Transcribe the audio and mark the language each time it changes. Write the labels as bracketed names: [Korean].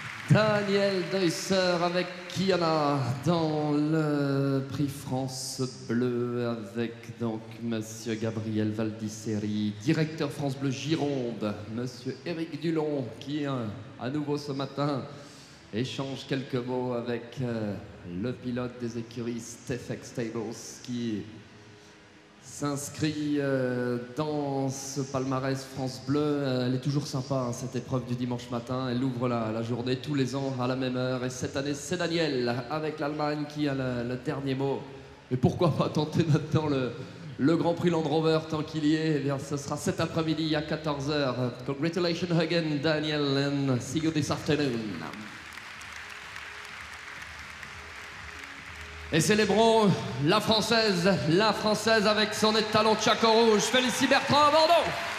[French] Daniel Deusser avec Kiana dans le Prix France Bleu avec donc Monsieur Gabriel Valdisseri, directeur France Bleu Gironde, Monsieur Éric Dulon qui à nouveau ce matin échange quelques mots avec le pilote des écuries Stefek Stables qui s'inscrit dans ce palmarès France Bleu. Elle est toujours sympa, hein, cette épreuve du dimanche matin. Elle ouvre la journée tous les ans à la même heure. Et cette année, c'est Daniel avec l'Allemagne qui a le dernier mot. Et pourquoi pas tenter maintenant le Grand Prix Land Rover tant qu'il y est. Eh bien, ce sera cet après-midi à 14h. [English] Congratulations again, Daniel, and see you this afternoon. [French] Et célébrons la Française avec son étalon Tchako Rouge. Félicie Bertrand à Bordeaux.